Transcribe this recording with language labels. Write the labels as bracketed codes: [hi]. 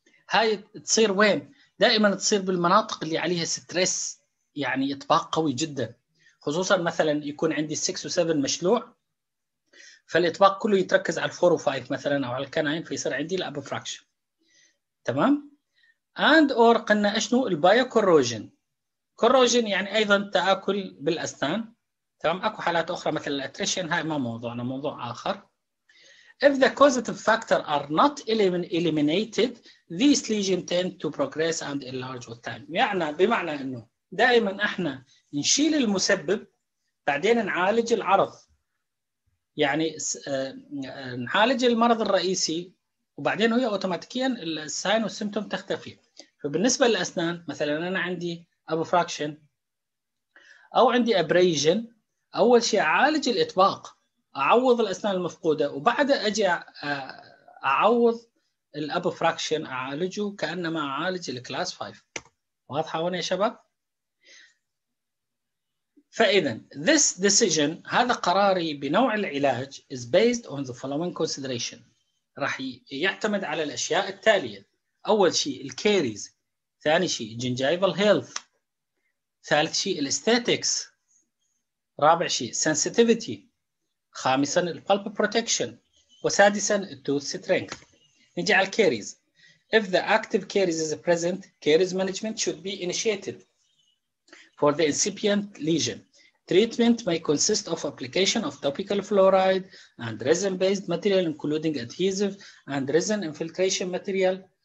[ar] هاي تصير وين؟ دائما تصير بالمناطق اللي عليها stress، يعني إطباق قوي جدا، خصوصا مثلا يكون عندي 6 و 7 مشلوع، فالإطباق كله يتركز على 4 و 5 مثلاً أو على الكناين، فيصير عندي الأبفراكشن، تمام؟ and or قلنا أشنو؟ البايوكوروجين. كوروجين يعني أيضاً تآكل بالأسنان، تمام؟ أكو حالات أخرى مثل الأتريشن، هاي ما موضوعنا، موضوع آخر. [en] If the causative factor are not eliminated these lesions tend to progress and enlarge with time. [ar] يعني بمعنى أنه دائماً إحنا نشيل المسبب بعدين نعالج العرض، يعني نعالج المرض الرئيسي وبعدين هي اوتوماتيكيا الساين والسيمتوم تختفي. فبالنسبه للاسنان مثلا انا عندي ابفراكشن او عندي ابريجن، اول شيء اعالج الاطباق، اعوض الاسنان المفقوده، وبعد اجي اعوض الابفراكشن اعالجه كانما اعالج الكلاس 5. واضحه هون يا شباب؟ فإذا [en] this decision [ar] هذا قراري بنوع العلاج [en] is based on the following consideration، [ar] راح يعتمد على الأشياء التالية. أول شيء الكاريز، ثاني شيء [en] gingival health، [ar] ثالث شيء الاستاتيكس، رابع شيء sensitivity، خامسا [en] pulp protection، [ar] وسادسا [en] tooth strength. [ar] نجي على الكاريز. [en] If the active caries is present caries management should be initiated for the incipient lesion. Treatment may consist of application of topical fluoride and resin-based material, including adhesive and resin infiltration material.